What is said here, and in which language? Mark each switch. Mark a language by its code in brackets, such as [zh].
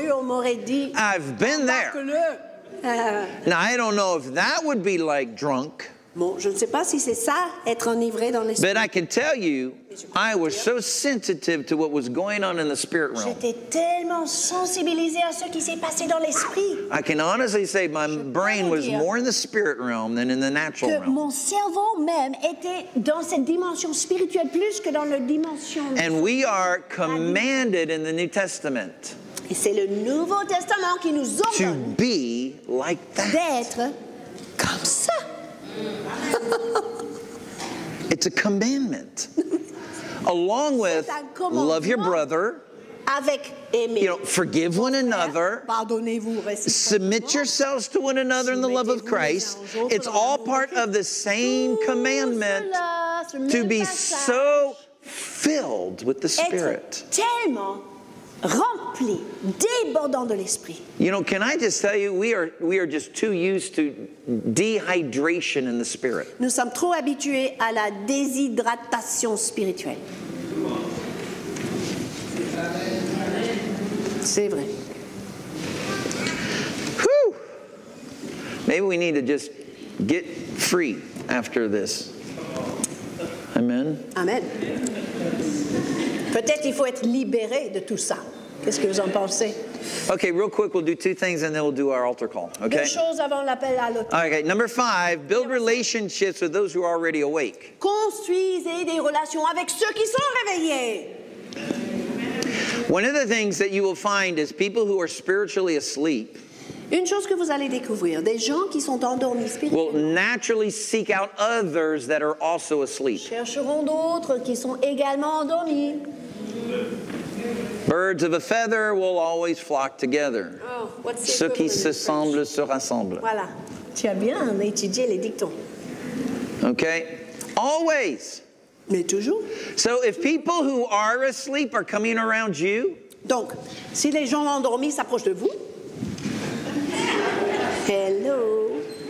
[en] I've been there. Now, I don't know if that would be like drunk. But I can tell you, I was so sensitive to what was going on in the spirit realm. [fr] J'étais tellement sensibilisée à ce qui s'est passé dans l'esprit. [en] I can honestly say my brain was more in the spirit realm than in the natural [fr] que [en] realm. [fr] Mon cerveau même était dans cette dimension spirituelle plus que dans la dimension. [en] And we are commanded in the New Testament. [fr] Et c'est le Nouveau Testament qui nous ordonne [en] to be like that. [fr] D'être comme ça. [en] It's a commandment. Along with love your brother, [fr] avec aimer, [en] you know, forgive one another, [fr] pardonnez-vous, [en] submit yourselves to one another in the love of Christ. It's all part of the same [fr] tout [en] commandment [fr] cela, [en] to be so filled with the Spirit. [fr] Rempli, débordant de l'esprit. [en] You know, can I just tell you, we are just too used to dehydration in the spirit. [fr] Nous sommes trop habitués à la déshydratation spirituelle. C'est vrai. Whew. [en] Maybe we need to just get free after this. Amen. Amen. [fr] Peut-être il faut être libéré de tout ça. Qu'est-ce que vous en pensez? [en] Okay, real quick, we'll do two things and then we'll do our altar call. Okay? [fr] Deux choses avant l'appel à l'autel. [en] Okay, number five, build relationships with those who are already awake. [fr] Construisez des relations avec ceux qui sont réveillés. [en] One of the things that you will find is people who are spiritually asleep. [fr] Une chose que vous allez découvrir, des gens qui sont endormis spirituellement [en] will naturally seek out others that are also asleep. [fr] Chercheront d'autres qui sont également endormis. [en] Birds of a feather will always flock together. Oh, what's the [fr] ceux qui se semblent se rassemblent. Voilà. Tu as bien étudié les dictons. [en] Okay. Always. [fr] Mais toujours. [en] So if people who are asleep are coming around you, [fr] donc, si les gens endormis s'approchent de vous, hello.